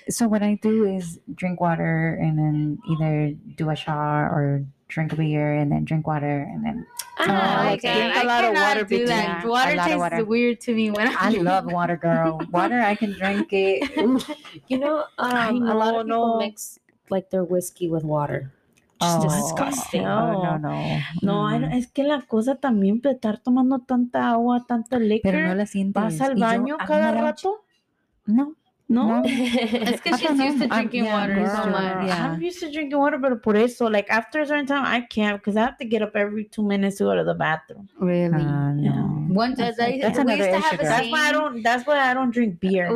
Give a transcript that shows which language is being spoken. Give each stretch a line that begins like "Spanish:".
English: So what I do is drink water and then either do a shot or drink a beer and then drink water and then... I cannot do that. Water tastes weird to me. I love water, girl. Water, I can drink it. You know, a lot of people mix like their whiskey with water. Disgusting. No.
Spanish: Es que la cosa también de estar tomando tanta agua, tanta leche. Pero no la sientes. ¿Vas al baño cada rato? No.
English: No, it's because she's used to drinking water so much. Yeah. I'm used to drinking water, but
Spanish: por eso,
English: like after a certain time, I can't because I have to get up every 2 minutes to go to the bathroom. Really? No. That's why I don't drink beer.